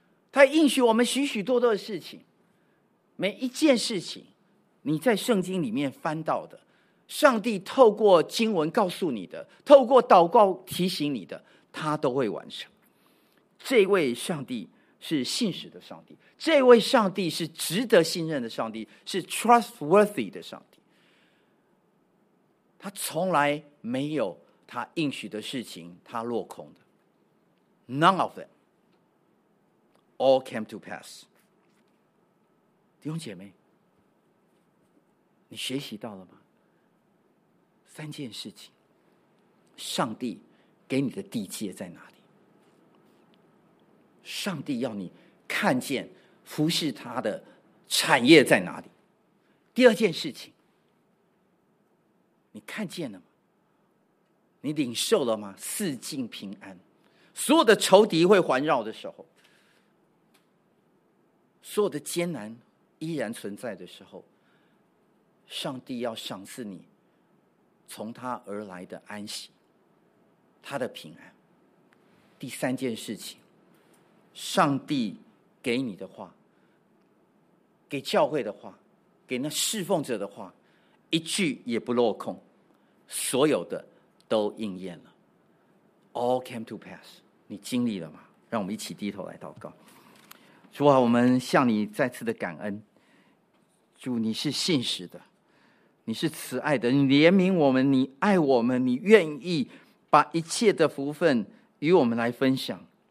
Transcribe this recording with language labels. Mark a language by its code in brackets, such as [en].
[zh] 他应许我们许许多多的事情，每一件事情你在圣经里面翻到的，上帝透过经文告诉你的，透过祷告提醒你的，他都会完成。这位上帝是信实的上帝，这位上帝是值得信任的上帝，是 trustworthy 的上帝。他从来没有他应许的事情他落空的。 [en] None of them all came to pass。 [zh] 弟兄姐妹，你学习到了吗？ 3件事情，上帝给你的地界在哪里？上帝要你看见服侍他的产业在哪里？第二件事情，你看见了吗？你领受了吗？四境平安，所有的仇敌会环绕的时候，所有的艰难依然存在的时候，上帝要赏赐你从他而来的安息，他的平安。第三件事情，上帝给你的话，给教会的话，给那侍奉者的话，一句也不落空，所有的都应验了。 [en] All came to pass， [zh] 你经历了吗？让我们一起低头来祷告。主啊，我们向你再次的感恩。主，你是信实的，你是慈爱的，你怜悯我们，你爱我们，你愿意把一切的福分与我们来分享。